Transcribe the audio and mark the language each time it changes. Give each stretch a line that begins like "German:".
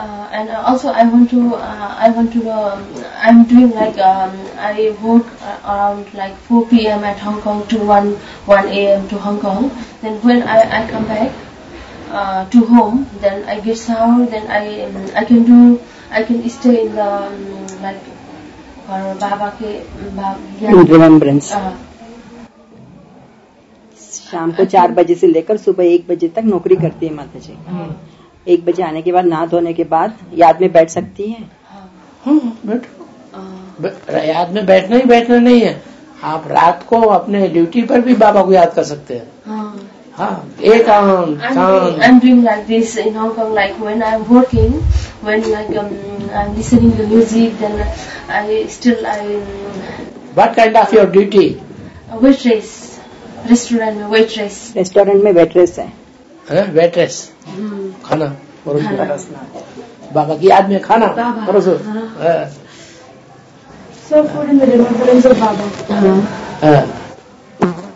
English: And also I'm doing like I work around like 4 p.m. at Hong Kong to 1 a.m. to Hong Kong. Then when I come back to home, then I get shower, then I can stay in the like for Baba ke in remembrance.
Hindi: शाम को 4 बजे से लेकर सुबह 1 बजे तक नौकरी करती है माता जी. 1 बजे आने के बाद नहा धोने के बाद याद में बैठ सकती है. बैठो, याद में बैठना ही बैठना नहीं है. आप रात को अपने ड्यूटी पर भी बाबा को याद कर सकते हैं. एक आम
English: I'm doing like this in Hong Kong, like when I'm working, when like I'm listening to music, then I what kind of your duty? Waitress.
Hindi: Restaurant में waitress. Restaurant में waitress है. Waitress. खाना परोसो. बाबा की याद में खाना परोसो.
English: So food in the remembrance of Baba.